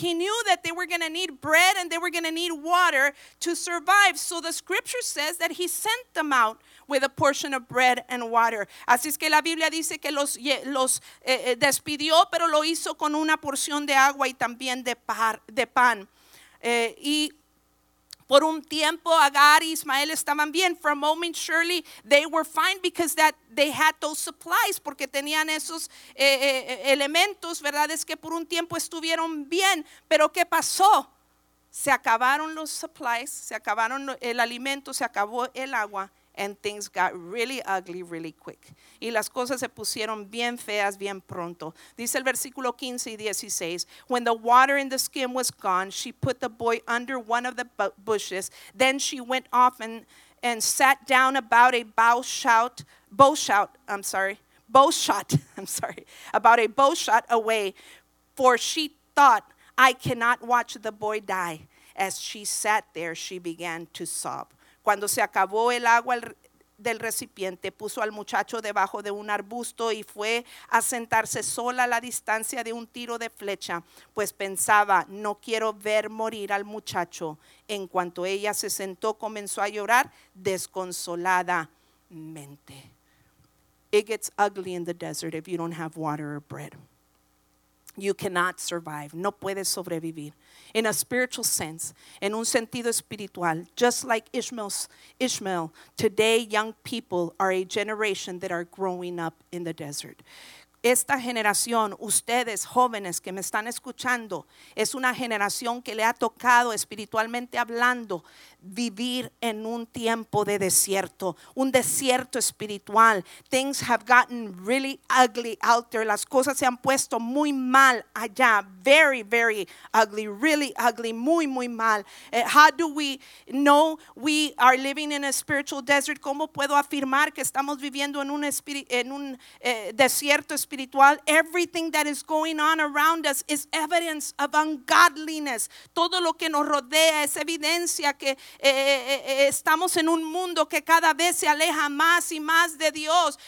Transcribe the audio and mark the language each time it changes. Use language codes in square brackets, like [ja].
[en] He knew that they were going to need bread and they were going to need water to survive. So the scripture says that he sent them out with a portion of bread and water. [es] Así es que la Biblia dice que los despidió, pero lo hizo con una porción de agua y también de pan. Y por un tiempo Agar y Ismael estaban bien. [en] For a moment, surely they were fine because that they had those supplies, porque tenían esos elementos, ¿verdad? [es] Es que por un tiempo estuvieron bien, pero ¿qué pasó? Se acabaron los supplies, se acabaron el alimento, se acabó el agua. [en] And things got really ugly really quick. Y las cosas se pusieron bien feas bien pronto. [es] Dice el versículo 15 y 16. [en] When the water in the skin was gone, she put the boy under one of the bushes. Then she went off and sat down about a bowshot away. For she thought, I cannot watch the boy die. As she sat there, she began to sob. [es] Cuando se acabó el agua del recipiente, puso al muchacho debajo de un arbusto y fue a sentarse sola a la distancia de un tiro de flecha, pues pensaba, no quiero ver morir al muchacho. En cuanto ella se sentó, comenzó a llorar desconsoladamente. [en] It gets ugly in the desert if you don't have water or bread. You cannot survive. No puedes sobrevivir. In a spiritual sense, en un sentido espiritual, just like Ishmael, today young people are a generation that are growing up in the desert. [es] Esta generación, ustedes jóvenes que me están escuchando, es una generación que le ha tocado espiritualmente hablando vivir en un tiempo de desierto, un desierto espiritual. [en] Things have gotten really ugly out there. Las cosas se han puesto muy mal allá. Very, very ugly. Really ugly. Muy, muy mal. How do we know we are living in a spiritual desert? [es] ¿Cómo puedo afirmar que estamos viviendo en un desierto espiritual? [en] Everything that is going on around us is evidence of ungodliness. [es] Todo lo que nos rodea es evidencia que estamos en un mundo que cada vez se aleja más y más de Dios.